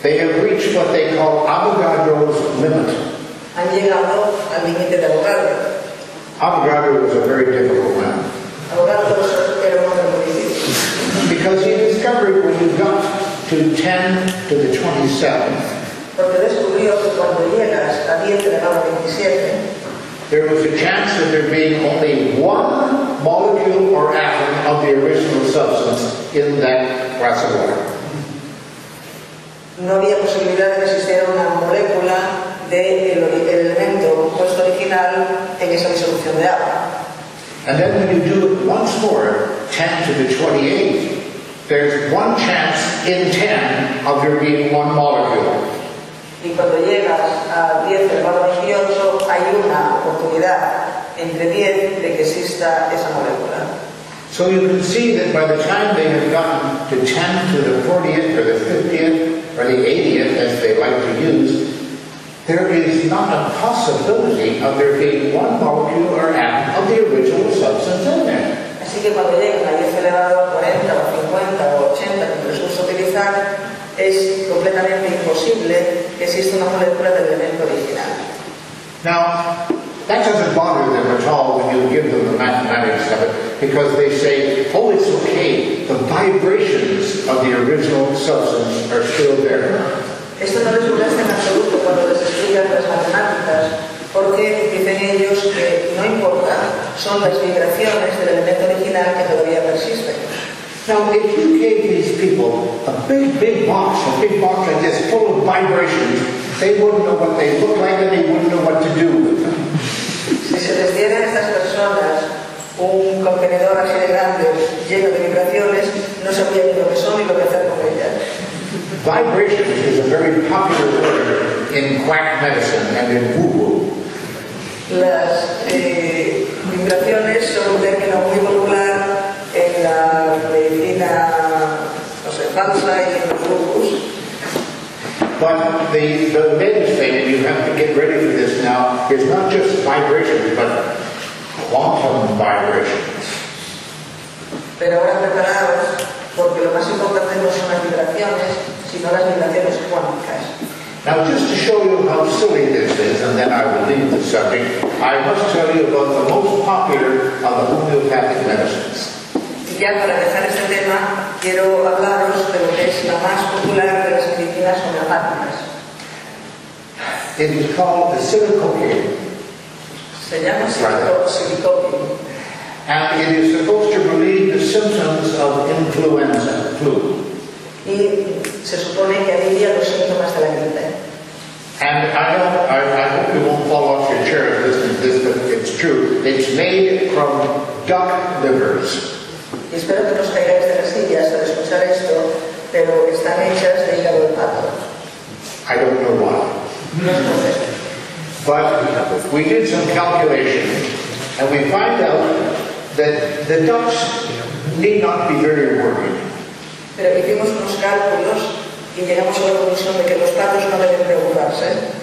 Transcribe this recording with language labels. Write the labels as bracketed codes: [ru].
[en] they have reached what they call Avogadro's limit. [es] Han llegado al límite de Avogadro. [en] Avogadro was a very difficult man. [es] Avogadro era un hombre muy difícil. [en] Because he discovered when you got to 10 to the 27th, [es] porque descubrió que cuando llegas a 10 de la número 27, [en] there was a chance of there being only one molecule or atom of the original substance in that glass of water. [es] No había posibilidad de que existiera una molécula del elemento compuesto original en esa disolución de agua. [en] And then when you do it once more, 10 to the 28th, there's one chance in 10 of there being one molecule. [es] Y cuando llegas a 10 del valor 28, hay una oportunidad entre 10 de que exista esa molécula. [en] So you can see that by the time they have gotten to 10 to the 40th or the 50th or the 80th, as they like to use, there is not a possibility of there being one molecule or atom of the original substance in there. [es] Así que cuando llegan a 10 elevado a 40 o 50 o 80 que resulta utilizar, es completamente imposible que exista una molécula del elemento original. [en] Now, that doesn't bother them at all when you give them the mathematics of it, because they say, oh, it's okay, the vibrations of the original substance are still there. [es] Esto no les molesta en absoluto cuando les explican las matemáticas, porque dicen ellos que no importa, son las vibraciones del elemento original que todavía persisten. [en] Now, if you gave these people a big box like this, full of vibrations, they wouldn't know what they look like and they wouldn't know what to do with them. [es] Si se les diera a estas personas un contenedor así de grande, lleno de vibraciones, no sabrían ni lo que son ni lo que hacer con ellas. [en] Vibrations is a very popular word in quack medicine and in woo-woo. [es] Las vibraciones son un término muy popular en la medicina, no sé, falsa y en los grupos. [en] But the main thing you have to get ready for this now is not just vibrations, but quantum vibrations. [es] Pero ahora preparados, porque lo más importante no son las vibraciones, sino las vibraciones cuánticas. [en] Now, just to show you how silly this is, and then I will leave the subject, I must tell you about the most popular of the homeopathic medicines. [es] Ya para dejar este tema, quiero hablaros de lo que es la más popular de las medicinas homeopáticas. [en] It is called the silicone. [es] Se llama silicone. [en] And it is supposed to relieve the symptoms of influenza, flu. [es] Y se supone que alivia los síntomas de la gripe. [en] And I hope you won't fall off your chair if this is this, but it's true. It's made from duck livers. [es] Y espero que no os caigáis de las sillas al escuchar esto, pero están hechas de hígado de pato. [en] I don't know why. But we did some calculation and we find out that the ducks need not be very worried. [es] Pero hicimos unos cálculos y llegamos a la conclusión de que los patos no deben preocuparse.